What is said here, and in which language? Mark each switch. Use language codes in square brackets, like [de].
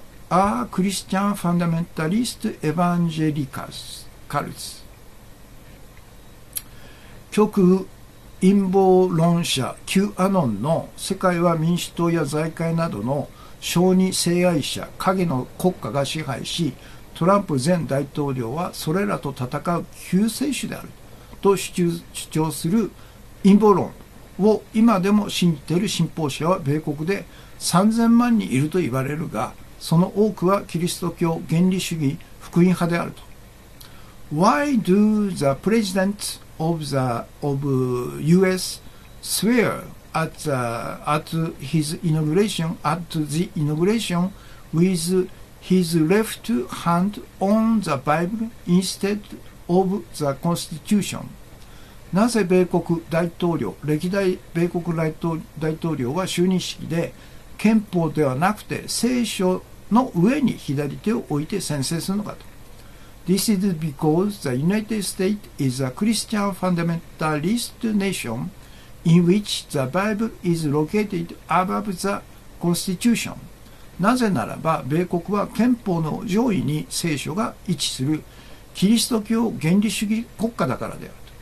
[en] クリスチャンファンダメンタリスト・エヴァンジェリカス・カルツ。 [ja] 極右陰謀論者 Q アノンの世界は民主党や財界などの小児性愛者影の国家が支配し、トランプ前大統領はそれらと戦う救世主であると主張する陰謀論を今でも信じている信奉者は米国で3000万人いると言われるが、その多くはキリスト教原理主義福音派であると。 [en] Why do the presidents of US swear at the inauguration with his left hand on the Bible instead of the Constitution? [ja] なぜ米国大統領、歴代米国大統領は就任式で憲法ではなくて聖書の上に左手を置いて宣誓するのかと。 [en] This is because the United States is a Christian fundamentalist nation in which the Bible is located above the Constitution. [ja] なぜならば米国は憲法の上位に聖書が位置するキリスト教原理主義国家だからであると。